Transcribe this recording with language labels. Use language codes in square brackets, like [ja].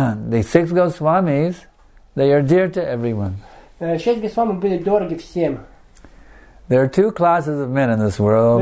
[en] The six Goswamis, they are dear to everyone. [ru] Шесть Госвами были дороги всем. [en] There are two classes of men in this world.